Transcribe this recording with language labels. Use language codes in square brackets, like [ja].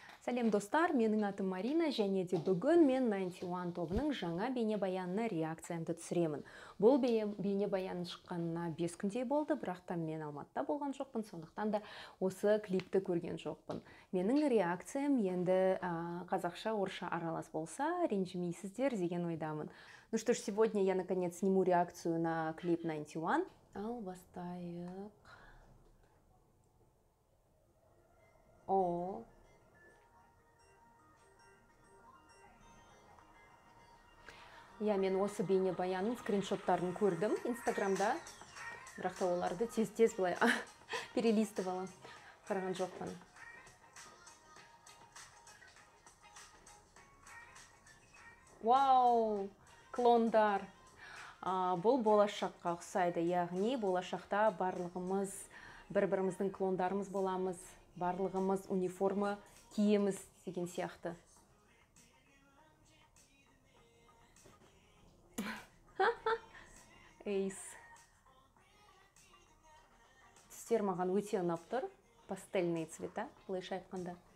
[kk] Сәлем, достар, менің атым Марина, және де бүгін мен 91 тобының жаңа бейнебаянына реакциямды түсіремін. Бұл бейнебаян шыққанына 5 күндей болды, бірақ та мен Алматыда болған жоқпын, сондықтан да осы клипті көрген жоқпын. Менің реакциям енді қазақша-орысша аралас болса, ренжімейсіздер деген ойдамын. [ru] Ну что ж, сегодня я наконец сниму реакцию на клип 91. [kk] Ал бастайық. Я мен осы бейнебаянның скриншоттарын көрдім Инстаграмда, бірақ та оларды тез-тез былай перелистывала, қараған жоқпын. Вау, клондар! Бұл болашаққа ұқсайды, яғни болашақта барлығымыз, бір-біріміздің клондарымыз боламыз, барлығымыз униформа киеміз деген сияқты. Эйс. Түстер маған өте ұнап тұр. [ru] Пастельные цвета, [kk] былайша айтқанда.